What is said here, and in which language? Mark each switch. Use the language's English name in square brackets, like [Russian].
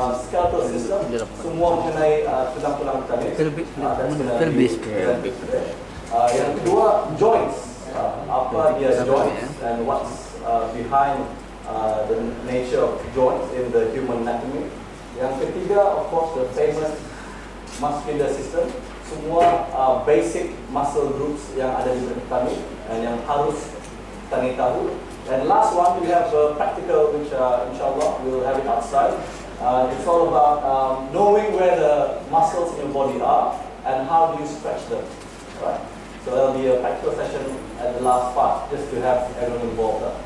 [Malay] Skeletal system, semua mengenai tulang-tulang kanis. Yang kedua, joints. Apa dia [English] joints and what's behind the nature of joints in the human anatomy. [Malay] Yang ketiga, [English] of course, the famous muscular system. [Malay] Semua basic muscle groups yang ada di benak kami and yang harus kami tahu. [English] And last one, we have a practical which inshallah we'll have it outside. It's all about knowing where the muscles in your body are and how do you stretch them, right? So there'll be a practical session at the last part, just to have everyone involved.